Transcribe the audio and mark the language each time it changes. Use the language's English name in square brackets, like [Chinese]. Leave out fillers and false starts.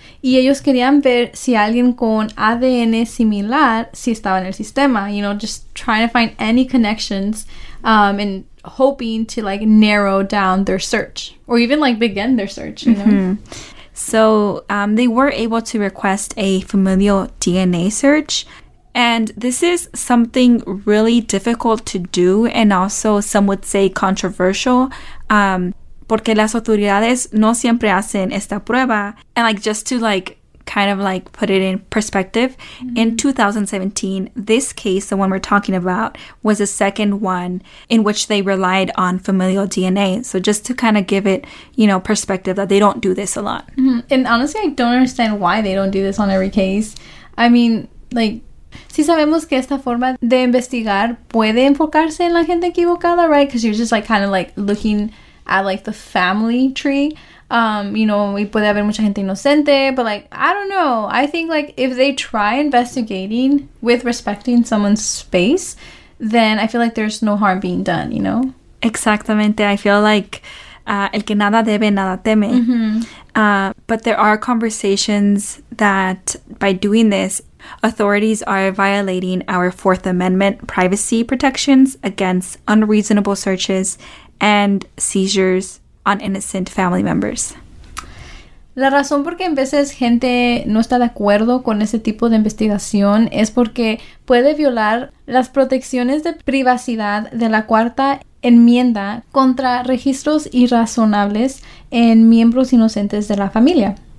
[Spanish] Y ellos querían ver si alguien con ADN similar si estaba en el sistema. [English] You know, just trying to find any connections and hoping to, like, narrow down their search. Or even, like, begin their search, you know? So they were able to request a familial DNA search. And this is something really difficult to do, and also some would say controversial, [Spanish] porque las autoridades no siempre hacen esta prueba. [English] And, like, just to, like, kind of, like, put it in perspective, in 2017, this case, the one we're talking about, was the second one in which they relied on familial DNA. So just to kind of give it, you know, perspective that they don't do this a lot. And honestly, I don't understand why they don't do this on every case. I mean, like, [Spanish] Sí sabemos que esta forma de investigar puede enfocarse en la gente equivocada, right? [English] Because you're just like kind of like looking at like the family tree, you know, [Spanish] y puede haber mucha gente inocente, [English] but like, I don't know. I think like if they try investigating with respecting someone's space, then I feel like there's no harm being done, you know? [Spanish] Exactamente. [English] I feel like [Spanish] el que nada debe, nada teme. [English] Mm-hmm. But there are conversations that by doing this, authorities are violating our Fourth Amendment privacy protections against unreasonable searches and seizures on innocent family members. [Spanish] La razón por qué en veces gente no está de acuerdo con ese tipo de investigación es porque puede violar las protecciones de privacidad de la Cuarta Enmienda contra registros irrazonables en miembros inocentes de la familia.